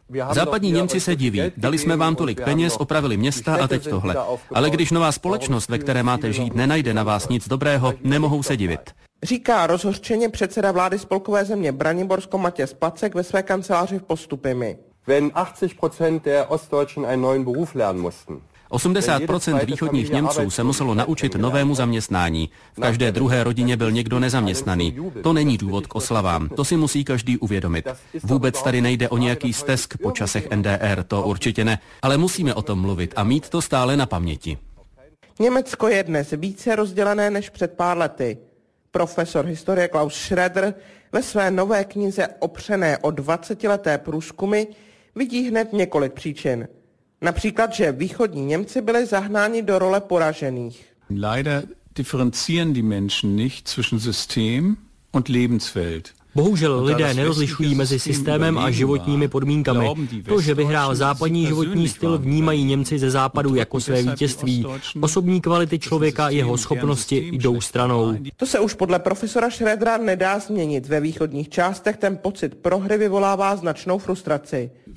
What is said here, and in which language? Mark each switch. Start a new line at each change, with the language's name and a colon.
Czech: Západní Němci se diví, dali jsme vám tolik peněz, opravili města a teď tohle. Ale když nová společnost, ve které máte žít, nenajde na vás nic dobrého, nemohou se divit. Říká rozhořčeně předseda vlády spolkové země Braniborsko Matěj Pacek ve své kanceláři v Postupimi.
German: Wenn 80% der Ostdeutschen einen neuen Beruf lernen mussten.
Czech: 80% východních Němců se muselo naučit novému zaměstnání. V každé druhé rodině byl někdo nezaměstnaný. To není důvod k oslavám, to si musí každý uvědomit. Vůbec tady nejde o nějaký stesk po časech NDR, to určitě ne, ale musíme o tom mluvit a mít to stále na paměti. Německo je dnes více rozdělené než před pár lety. Profesor historie Klaus Schröder ve své nové knize opřené o 20-leté průzkumy vidí hned několik příčin. Například, že východní Němci byli zahnáni do role poražených.
German: Leider differenzieren die Menschen nicht zwischen System und Lebenswelt.
Czech: Bohužel lidé nerozlišují mezi systémem a životními podmínkami. To, že vyhrál západní životní styl, vnímají Němci ze západu jako své vítězství. Osobní kvality člověka, jeho schopnosti jdou stranou. To se už podle profesora Schrödera nedá změnit. Ve východních částech ten pocit prohry vyvolává značnou frustraci.